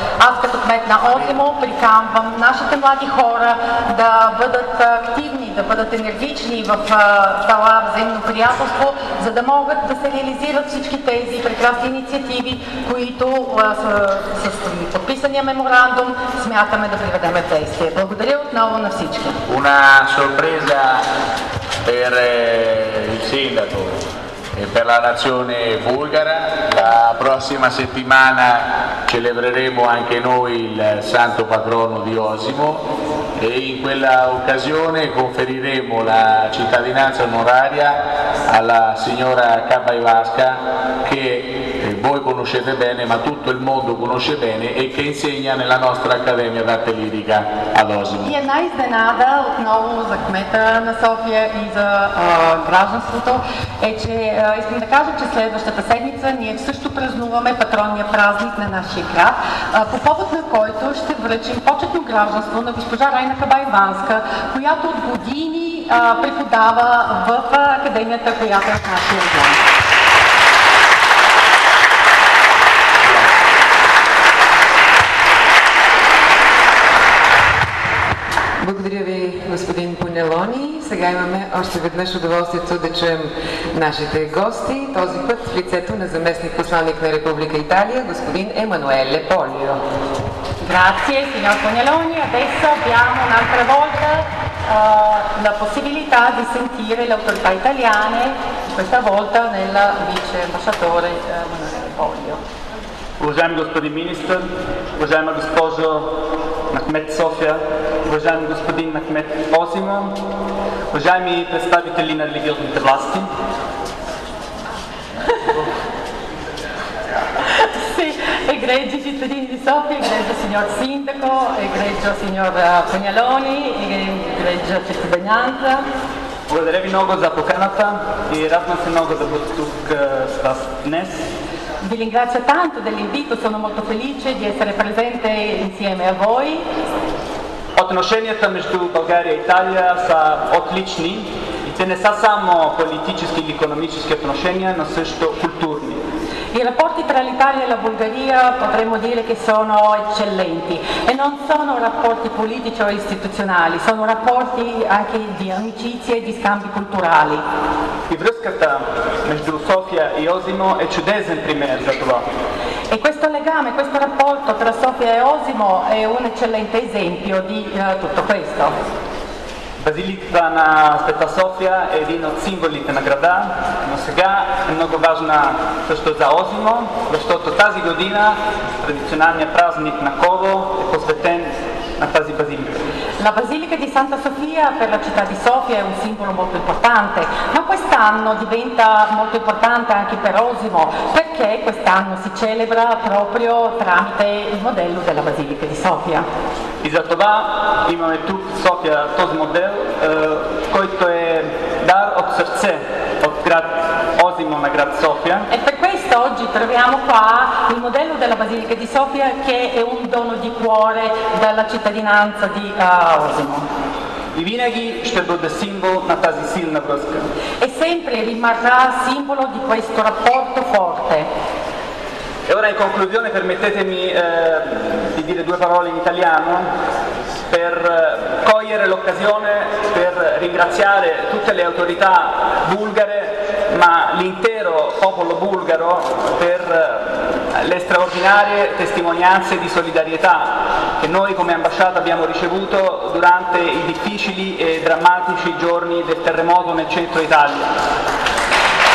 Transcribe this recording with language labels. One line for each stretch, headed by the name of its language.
Bulgarian: Аз като кмет на Озимо приканвам нашите млади хора да бъдат активни, да бъдат енергични в това взаимно приятелство, за да могат да се реализират всички тези прекрасни инициативи, които с подписания меморандум смятаме да приведем в действие. Благодаря отново на всички.
Italian: Una sorpresa per il sindaco e per la nazione bulgara. La prossima settimana celebreremo anche noi il santo patrono di Osimo e in quella occasione conferiremo la cittadinanza onoraria alla signora Kabaivaska che voi conoscete bene, ma tutto il mondo conosce bene e che insegna nella nostra Accademia d'Arte Lirica ad Osimo. E una
Bulgarian: izdenada, отново за кмета на София и за гражданството, е, че искам да кажа, че следващата седмица ние също празнуваме патронния празник на нашия град, по повод на който ще връчим почетно гражданство на госпожа Райна Кабаиванска, която от години преподава в Академията, която е в нашия град. Благодаря ви, господин Панелонис. Сега имаме още веднъж удоволствието да чуем нашите гости, този път в лицето на заместник посланник на Република Италия, господин Емануеле Полио.
Italian: Grazie, signor Cognoloni. Adesso abbiamo un'altra volta la possibilità di sentire le autorità italiane, questa volta nel vice ambasciatore Emanuele Polio.
Bulgarian: Уважаеми господин министър, уважаема госпожо Махмет София, уважаеми господин Махмет Осима, уважаеми представители на религиозните власти.
Italian: Egregi cittadini di Sofia, egregio signor sindaco, egregio signor Cognoloni, egregio cittadinanza.
Bulgarian: Благодаря ви много за поканата и радвам се много да бъда тук с вас днес.
Italian: Vi ringrazio tanto dell'invito, sono molto felice di essere presente insieme a voi.
Bulgarian: Отношенията между България и Италия са отлични и те не са само политически или економически отношения, но също културни.
Italian: I rapporti tra l'Italia e la Bulgaria potremmo dire che sono eccellenti e non sono rapporti politici o istituzionali, sono rapporti anche di amicizia e di scambi culturali.
Bulgarian: И връзката между София и Озимо е чудесен пример за това.
Italian: E questo legame, questo rapporto tra Sofia e Osimo è un eccellente esempio di tutto questo.
Bulgarian: Базиликата на Света София е един от символите на града, но сега е много важна също за Озимо, защото тази година традиционалният празник на Ково е посветен на тази базилика.
Italian: La Basilica di Santa Sofia per la città di Sofia è un simbolo molto importante, ma quest'anno diventa molto importante anche per Osimo, perché quest'anno si celebra proprio tramite il modello della Basilica di Sofia.
Bulgarian: И за това имаме тук в София този модел, който е дар от сърце от град Озимо на град София.
Italian: E per questo oggi troviamo qua il modello della Basilica di Sofia che è un dono di cuore dalla cittadinanza di Osimo.
Bulgarian: И винаги ще бъде символ на тази силна връзка.
Italian: E sempre rimarrà simbolo di questo rapporto forte. E ora in conclusione permettetemi di dire due parole in italiano per cogliere l'occasione per ringraziare tutte le autorità bulgare ma l'intero popolo bulgaro per le straordinarie testimonianze di solidarietà che noi come ambasciata abbiamo ricevuto durante i difficili e drammatici giorni del terremoto nel centro Italia.